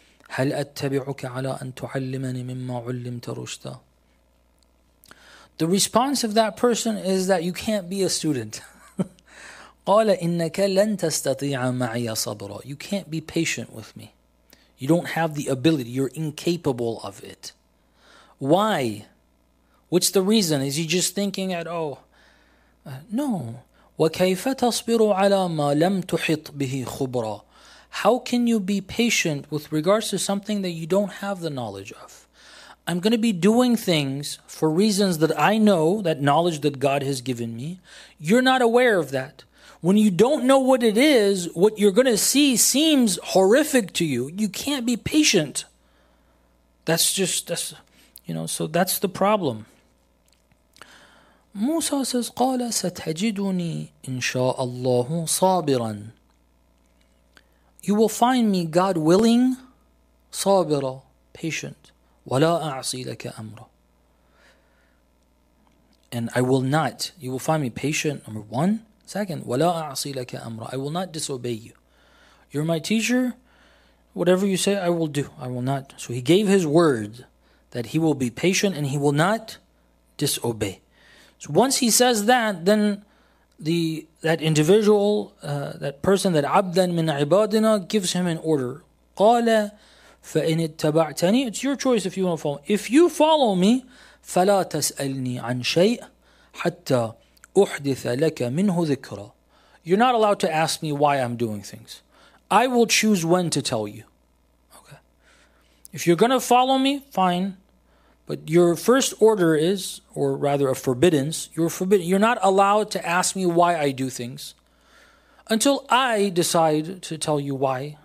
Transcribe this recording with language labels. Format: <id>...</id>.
<ar>هَلْ أَتَّبِعُكَ عَلَىٰ أَن تُعَلِّمَنِي مِمَّا عُلِّمْتَ رُشْدًا</ar> <en>The response of that person is that you can't be a student.</en> <ar>قَالَ إِنَّكَ لَن تَسْتَطِيعَ مَعِيَ صَبْرًا</ar> <en>You can't be patient with me. You don't have the ability. You're incapable of it. Why? What's the reason? Is he just thinking at, oh, no.</en> <ar>وكيف تصبر على ما لم تحط به خبرا.</ar> <en>How can you be patient with regards to something that you don't have the knowledge of? I'm going to be doing things for reasons that I know, that knowledge that God has given me. You're not aware of that. When you don't know what it is, what you're going to see seems horrific to you. You can't be patient. So that's the problem. Musa says,</en> <ar>قَالَ سَتَجِدُنِي إِن شَاءَ اللَّهُ صَابِرًا.</ar> <en>You will find me, God willing, صابرا, patient,</en> <ar>ولا أعصي لك أمرا.</ar> <en>And I will not, you will find me patient, number one. Second,</en> <ar>ولا أعصي لك أمرا,</ar> <en>I will not disobey you. You're my teacher, whatever you say, I will do, I will not. So he gave his word that he will be patient and he will not disobey. So once he says that, then that individual, that person that</en> <ar>عبدًا من عبادنا</ar> <en>gives him an order.</en> <ar>قال فإن اتبعتني,</ar> <en>it's your choice if you want to follow. If you follow me,</en> <ar>فلا تسألني عن شيء حتى أحدث لك منه ذكرا.</ar> <en>You're not allowed to ask me why I'm doing things. I will choose when to tell you. Okay. If you're going to follow me, fine. But your first order is, or rather a forbiddance, you're forbidden. You're not allowed to ask me why I do things until I decide to tell you why.</en>